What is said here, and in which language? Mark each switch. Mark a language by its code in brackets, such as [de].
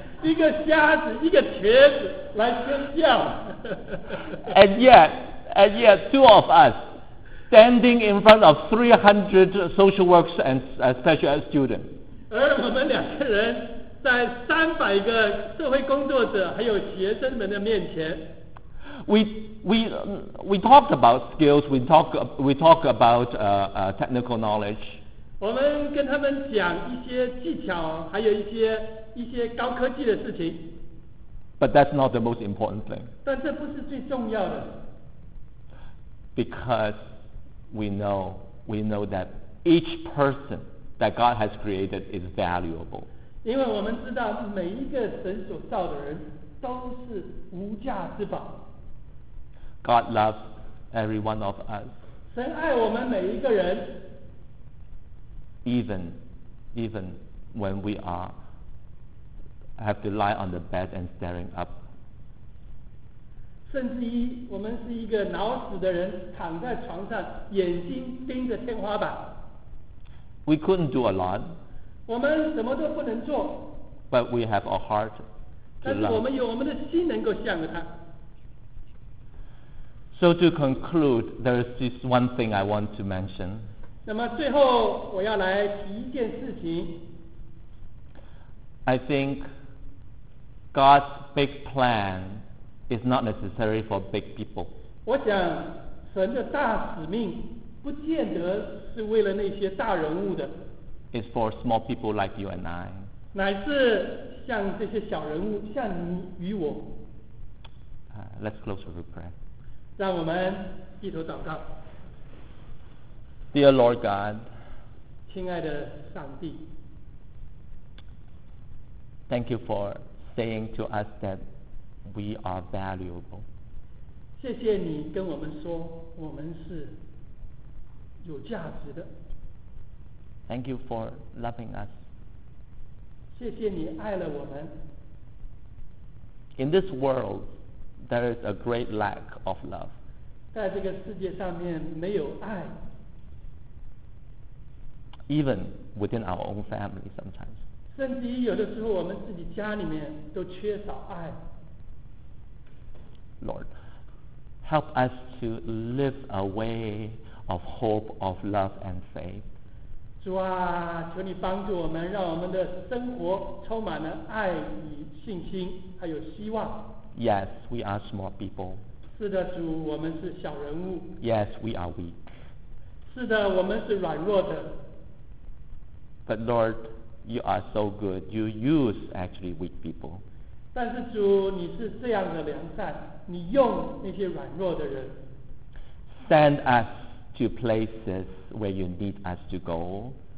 [zh] 一个瞎子，一个瘸子来宣教。 [en] And yet, two of us standing in front of 300 social workers and special ed students. [zh] 而我们两个人在300个社会工作者还有学生们的面前。 [en] We talked about skills. We talk about technical knowledge. [zh] 我们跟他们讲一些技巧，还有一些高科技的事情。 [en] But that's not the most important thing. [zh] 但这不是最重要的。 [en] Because we know that each person that God has created is valuable. [zh] 因为我们知道每一个神所造的人都是无价之宝。 [en] God loves every one of us. [zh] 神爱我们每一个人。 [en] Even when we have to lie on the bed and staring up. [zh] 甚至我们是一个脑死的人，躺在床上，眼睛盯着天花板。 [en] We couldn't do a lot. [zh] 我们什么都不能做。 [en] But we have a heart to love. [zh] 但是我们有我们的心能够向着他。 [en] So to conclude, there is this one thing I want to mention. [zh] 那么最后我要来提一件事情。 [en] I think God's big plan is not necessary for big people. [zh] 我想神的大使命不见得是为了那些大人物的。 [en] It's for small people like you and I. [zh] 乃是像这些小人物，像你与我。 [en] Let's close with a prayer. [zh] 让我们低头祷告。 [en] Dear Lord God, [zh] 亲爱的上帝， [en] Thank you for saying to us that we are valuable. [zh] 谢谢你跟我们说我们是有价值的。 [en] Thank you for loving us. [zh] 谢谢你爱了我们。 [en] In this world,There is a great lack of love. [zh] 在这个世界上面没有爱。 [en] Even within our own family sometimes. [zh] 甚至于有的时候我们自己家里面都缺少爱。 [en] Lord, help us to live a way of hope, of love and faith. [zh] 主啊，求你帮助我们，让我们的生活充满了爱与信心，还有希望。 [en] Yes, we are small people. [zh] 是的，主，我们是小人物。 [en] Yes, we are weak. [zh] 是的，我们是软弱的。 [en] But Lord, you are so good. You use actually weak people. [zh] 但是主，你是这样的良善，你用那些软弱的人。 [en] Send us to places where you need us to go.